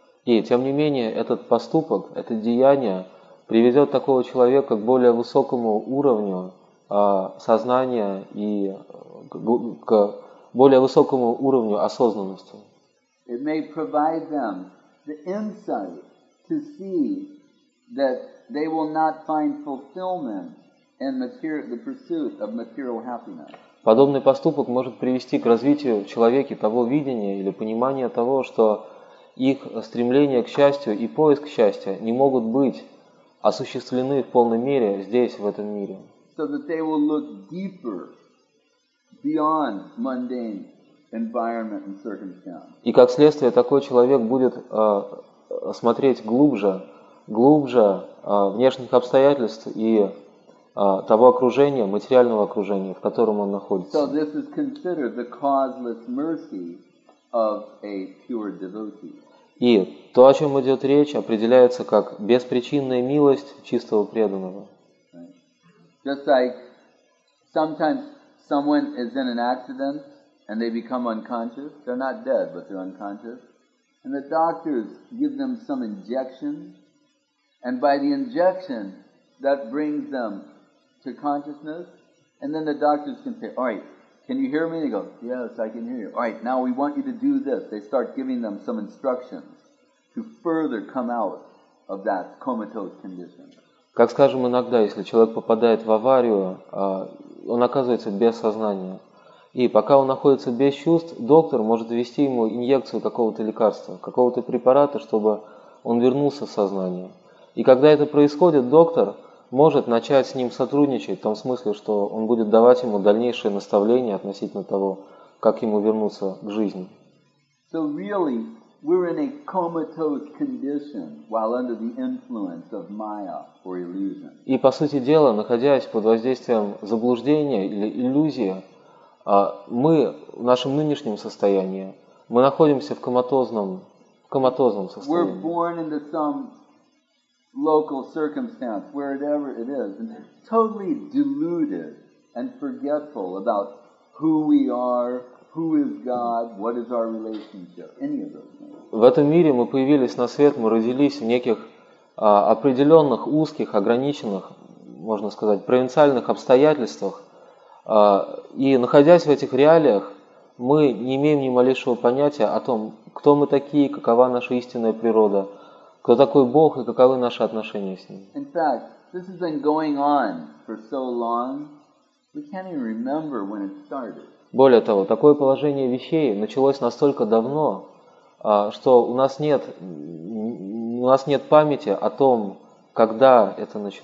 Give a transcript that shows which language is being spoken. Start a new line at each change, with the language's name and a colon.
Russian: И тем не менее, этот поступок, это деяние приведет такого человека к более высокому уровню сознания и к более высокому уровню осознанности.
English: It may provide them the insight to see that they will not find fulfillment in the pursuit of material happiness.
Russian: Подобный поступок может привести к развитию в человеке того видения или понимания того, что их стремление к счастью и поиск счастья не могут быть осуществлены в полной мере здесь, в этом мире.
English: So that they will look deeper beyond mundane environment and circumstance.
Russian: И как следствие, такой человек будет смотреть глубже внешних обстоятельств и того окружения, материального окружения, в котором он находится.
English: So this is considered the causeless mercy of a pure devotee.
Russian: И то, о чем идет речь, определяется как беспричинная милость чистого преданного.
English: Right. Just like sometimes someone is in an accident and they become unconscious. They're not dead, but they're unconscious. And the doctors give them some injection, and by the injection that brings them to consciousness, and then the doctors can say, all right, can you hear me? They go, yes, I can hear you. All right, now we want you to do this. They start giving them some instructions to further come out of that comatose condition.
Russian: Как скажем иногда, если человек попадает в аварию, он оказывается без сознания. И пока он находится без чувств, доктор может ввести ему инъекцию какого-то лекарства, какого-то препарата, чтобы он вернулся в сознание. И когда это происходит, доктор может начать с ним сотрудничать в том смысле, что он будет давать ему дальнейшие наставления относительно того, как ему вернуться к жизни.
English: So really, We're in a comatose condition while under the influence of Maya or illusion.
Russian: И по сути дела, находясь под воздействием заблуждения или иллюзии, мы в нашем нынешнем состоянии, мы находимся в коматозном состоянии.
English: We're born into some local circumstance, wherever it is, and totally deluded and forgetful about who we are. Who is God? What is our relationship? Any of those things.
Russian: В этом мире мы появились на свет, мы родились в неких определенных узких, ограниченных, можно сказать, провинциальных обстоятельствах. И находясь в этих реалиях, мы не имеем ни малейшего понятия о том, кто мы такие, какова наша истинная природа, кто такой Бог и каковы наши отношения с Ним.
English: In fact, this has been going on for so long, we can't even remember when it started.
Russian: Более того, такое положение вещей началось настолько давно, что у нас нет памяти о том, когда это